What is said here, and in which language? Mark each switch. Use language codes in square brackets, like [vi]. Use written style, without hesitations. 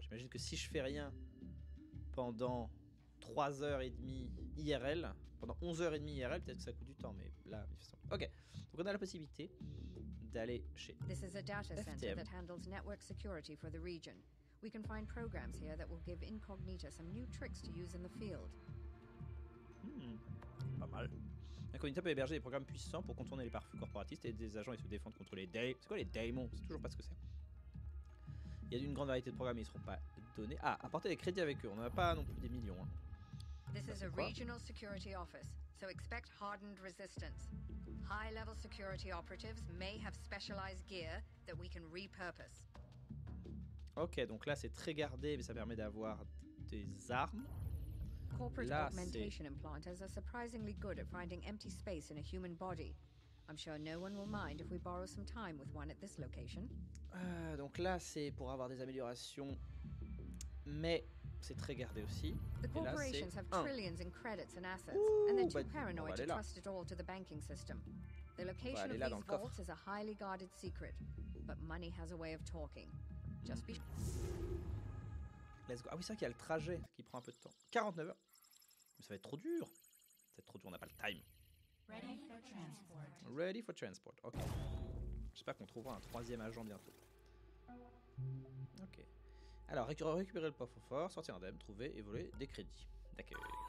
[fr] J'imagine que si je fais rien pendant 3h30 IRL, pendant 11h30 IRL, peut-être que ça coûte du temps, mais là, de toute façon. Ok, donc on a la possibilité d'aller chez FTM. [en] This is a data center that handles network security for the region. We can find programs here that will give Incognita some new tricks to use in the field. [fr] Pas mal. Incognita peut héberger des programmes puissants pour contourner les pare-feux corporatistes et des agents et se défendre contre les daemons. C'est quoi les daemons? C'est toujours pas ce que c'est. Il y a une grande variété de programmes, ils seront pas donnés. Ah, apporter des crédits avec eux, on en a pas non plus des millions. Hein. [en] This is a regional security office, so expect hardened resistance. High-level security operatives may have specialized gear that we can repurpose. [fr] Ok, donc là c'est très gardé, mais ça permet d'avoir des armes. [en] Corporate [fr] là, [en] augmentation [fr] c'est... [en] implanters are surprisingly good at finding empty space in a human body. I'm sure no one will mind if we borrow some time with one at this location. [fr] Donc là c'est pour avoir des améliorations, mais c'est très gardé aussi. [en] The corporations have trillions in credits and assets, and they're too paranoid to trust it all to the banking system. The location of these vaults is a highly guarded secret, but money has a way of talking. Just be. Let's go. [fr] Ah oui, c'est vrai qu'il y a le trajet qui prend un peu de temps. 49 heures. Mais ça va être trop dur. Ça va être trop dur, on n'a pas le time. [en] Ready for transport. Ready for transport. [fr] Ok. J'espère qu'on trouvera un troisième agent bientôt. Ok. Alors, récupérer le poffre fort, sortir indemne, trouver et voler des crédits. D'accord.